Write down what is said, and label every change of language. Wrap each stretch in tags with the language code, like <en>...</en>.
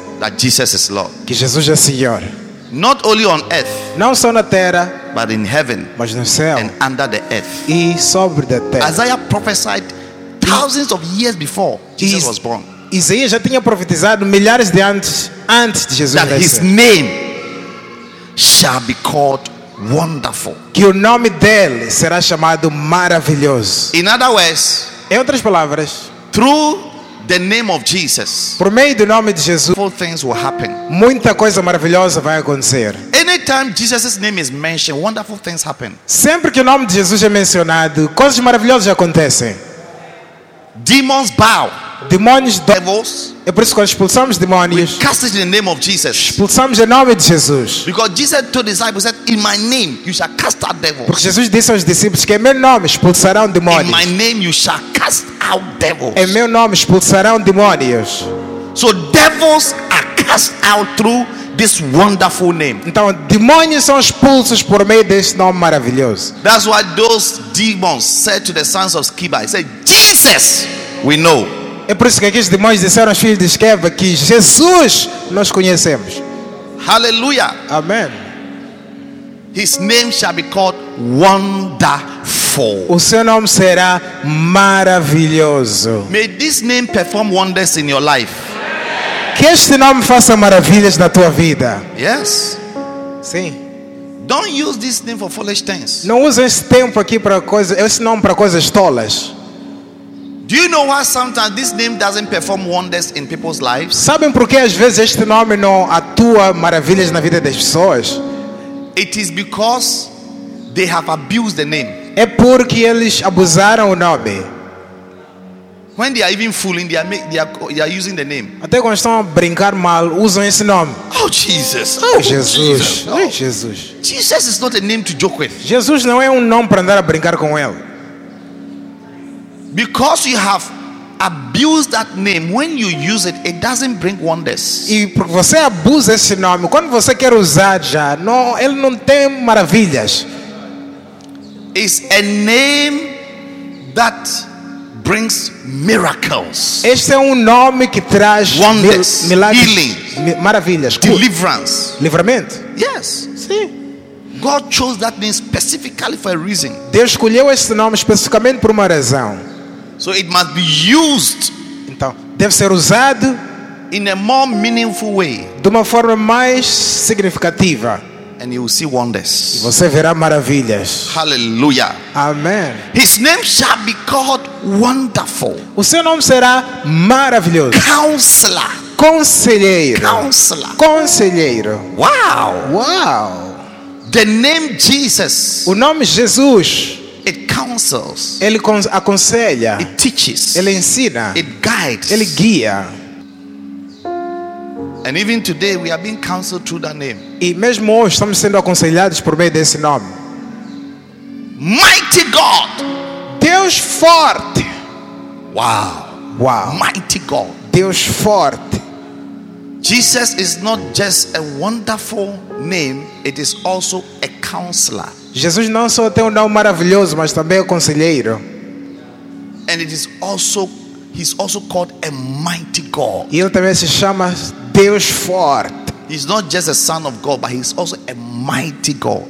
<en>That Jesus is Lord.</en> <pt>Que Jesus é Senhor.</pt> <en>Not only on earth.</en> <pt>Não só na terra,</pt> <en>but in heaven.</en> <pt>Mas no céu.</pt> <en>And under the earth.</en> <pt>E sobre a terra.</pt> <en>Isaiah prophesied thousands of years before Jesus was born.</en> <pt>Isaías já tinha profetizado milhares de antes de Jesus nascer.</pt> <en>That his name shall be called Wonderful.</en> <pt>Que o nome dele será chamado Maravilhoso.</pt> <en>In other words,</en> <pt>em outras palavras,</pt> <en>through the name of Jesus.</en> <pt>Por meio do nome de Jesus.</pt> <en>All things will happen.</en> <pt>Muita coisa maravilhosa vai acontecer.</pt> <en>Anytime Jesus' name is mentioned, wonderful things happen.</en> <pt>Sempre que o nome de Jesus é mencionado, coisas maravilhosas acontecem.</pt> <en>Demons bow.</en> <pt>Demônios</pt> <en>devils.</en> <pt>É por isso que nós expulsamos demônios.</pt> <en>We cast it in the name of Jesus.</en> <pt>Expulsamos em nome de Jesus.</pt> <en>Because Jesus told the disciples that in my name you shall cast out devils.</en> <pt>Porque Jesus disse aos discípulos que em meu nome expulsarão demônios.</pt> <en>In my name you shall cast out devils.</en> <pt>Em meu nome expulsarão demônios.</pt> <en>So devils are cast out through this wonderful name.</en> <pt>Então demônios são expulsos por meio desse nome maravilhoso.</pt> <en>That's why those demons said to the sons of Sceva, they said, "Jesus, we know."</en> <pt>É por isso que aqueles demônios disseram aos filhos de Sceva que Jesus nós conhecemos. Aleluia. Amém.</pt> <en>His name shall be called Wonderful.</en> <pt>O seu nome será Maravilhoso.</pt> <en>May this name perform wonders in your life.</en> <pt>Que este nome faça maravilhas na tua vida.</pt> <en>Yes.</en> <pt>Sim.</pt> <en>Don't use this name for foolish things.</en> <pt>Não use esse tempo aqui para coisas, esse nome para coisas tolas.</pt> <en>Do you know why sometimes this name doesn't perform wonders in people's lives?</en> <pt>Sabem por que às vezes este nome não atua maravilhas na vida das pessoas?</pt> <en>It is because they have abused the name.</en> <pt>É porque eles abusaram o nome.</pt> <en>When they are even fooling, they are using the name.</en> <pt>Até quando estão a brincar mal, usam esse nome.</pt> <en>Oh Jesus! Oh Jesus! Oh Jesus! Jesus is not a name to joke with.</en> <pt>Jesus não é nome para andar a brincar com ele.</pt> <en>Because you have abused that name, when you use it, it doesn't bring wonders.</en> <pt>E porque você abusa esse nome, quando você quer usar já, não, ele não tem maravilhas.</pt> <en>It's a name that brings miracles.</en> <pt>Este é nome que traz</pt> <en>wonders,</en> <pt>milagres,</pt> <en>healing,</en> <pt>maravilhas,</pt> <en>deliverance,</en> <pt>livramento.</pt> <en>Yes.</en> <pt>Sim.</pt> <en>God chose that name specifically for a reason.</en> <pt>Deus escolheu este nome especificamente por uma razão.</pt> <en>So it must be used.</en> <pt>Então, deve ser usado</pt> <en>in a more meaningful way.</en> <pt>De uma forma mais significativa.</pt> <en>And you will see wonders.</en> <pt>Você verá maravilhas.</pt> <en>Hallelujah. Amen. His name shall be called Wonderful.</en> <pt>O seu nome será maravilhoso.</pt> <en>Counselor.</en> <pt>Conselheiro.</pt> <en>Counselor.</en> <pt>Conselheiro.</pt> <en>Wow.</en> <pt>Wow.</pt> <en>The name Jesus.</en> <pt>O nome Jesus.</pt> <en>It counsels.</en> <pt>Ele aconselha.</pt> <en>It teaches.</en> <pt>Ele ensina.</pt> <en>It guides.</en> <pt>Ele guia.</pt> <en>And even today we are being counseled through that name.</en> <pt>E mesmo hoje estamos sendo aconselhados por meio desse nome.</pt> <en>Mighty God.</en> <pt>Deus forte.</pt> <en>Wow.</en> <pt>Wow.</pt> <en>Mighty God.</en> <pt>Deus forte.</pt> <en>Jesus is not just a wonderful name, it is also a counselor.</en> <pt>Jesus não só tem nome maravilhoso, mas também é conselheiro.</pt> <en>And it is also he's also called a mighty God.</en> <pt>E ele também se chama Deus forte.</pt> <en>He's not just a son of God, but he's also a mighty God.</en>